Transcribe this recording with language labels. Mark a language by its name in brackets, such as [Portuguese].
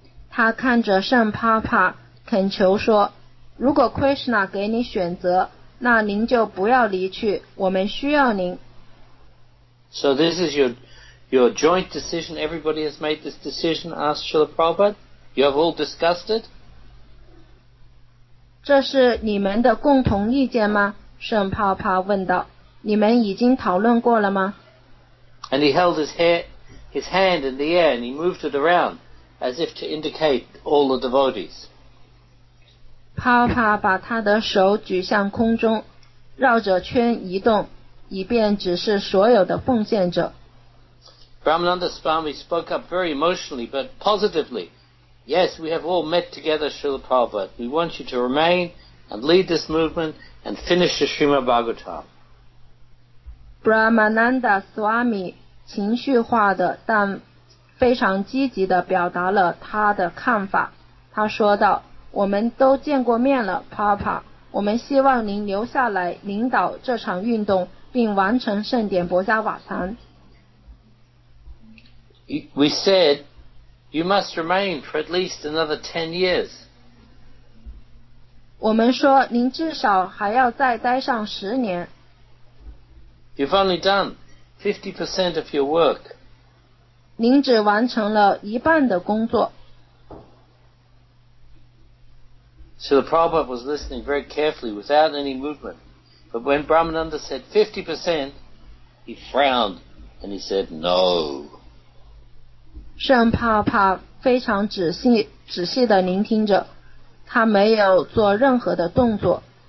[Chinese] 他看着圣帕帕恳求说，如果 Krishna 给你选择，那您就不要离去，我们需要您。 [English] So this is your joint decision. Everybody has made this decision, asked Srila Prabhupada. You have all discussed it? [Chinese] 这是你们的共同意见吗？圣帕帕问道。你们已经讨论过了吗？ [English] And he held his hand in the air and he moved it aroundas if to indicate all the devotees. [Chinese] Papa 把他的手举向空中，绕着圈移动，以便指示所有的奉献者。 [English] Brahmananda Swami spoke up very emotionally, but positively. Yes, we have all met together, Srila Prabhupada. We want you to remain and lead this movement and finish the Srimad Bhagavatam. [Chinese] Brahmananda Swami 情绪化的，但非常积极地表达了他的看法。他说道，我们都见过面了， Papa， 我们希望您留下来领导这场运动，并完成圣典薄伽瓦坛。 [English] We said You must remain for at least another 10 years. [Chinese] 我们说您至少还要再待上十年。 [English] You've only done 50% of your work. [Chinese] 您只完成了一半的工作。 [English] So the Prabhupada was listening very carefully without any movement. But when Brahmananda said 50%, he frowned and he said no. [Chinese] 圣帕帕非常仔细地聆听着，他没有做任何的动作。